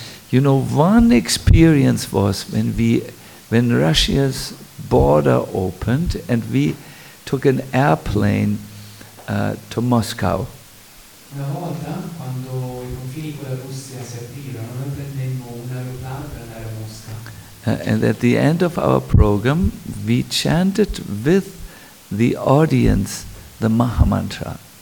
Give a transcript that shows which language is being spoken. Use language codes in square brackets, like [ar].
[en] You know, one experience was when Russia's border opened and we took an airplane to Moscow. [it] Una volta, quando i confini con la Russia si aprirono, noi prendemmo un aeroplano per andare a Mosca. [en] And at the end of our program, we chanted with the audience the Maha Mantra.